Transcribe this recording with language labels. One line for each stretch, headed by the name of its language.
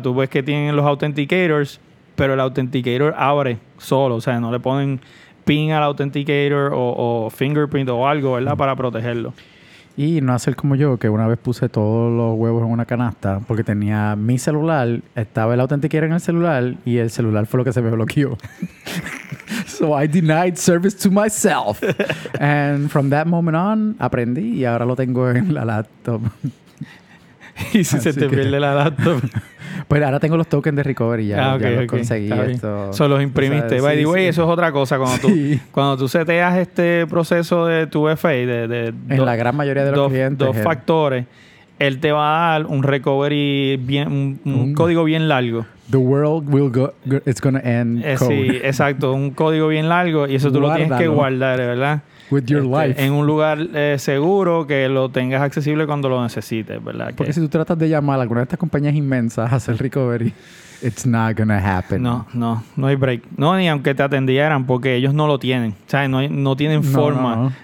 Spanish: Tú ves que tienen los authenticators, pero el authenticator abre solo. O sea, no le ponen pin al authenticator o fingerprint o algo, ¿verdad? Para protegerlo. Y no hacer como yo, que una vez puse todos los huevos en una canasta porque tenía mi celular, estaba el authenticator en el celular y el celular fue lo que se me bloqueó.
English: So I denied service to myself. And from that moment on,
Spanish: aprendí y ahora lo tengo en la laptop. ¿Y si así se te pierde la laptop? Pues ahora tengo los tokens de recovery ya los conseguí. Eso los imprimiste.
English: By the way,
Spanish: eso es otra cosa. Cuando tú seteas este proceso de tu FA, en la gran mayoría de los clientes. Dos factores, él te va a dar un recovery, un código bien largo.
English: The world will go, it's gonna end code.
Spanish: Sí, exacto. Un código bien largo y eso tú lo tienes que guardar, ¿verdad?
English: With your life.
Spanish: En un lugar seguro que lo tengas accesible cuando lo necesites, ¿verdad? Porque si tú tratas de llamar a alguna de estas compañías inmensas a hacer recovery,
English: it's not gonna happen.
Spanish: No hay break. No, ni aunque te atendieran, porque ellos no lo tienen. O sea, no tienen forma. No.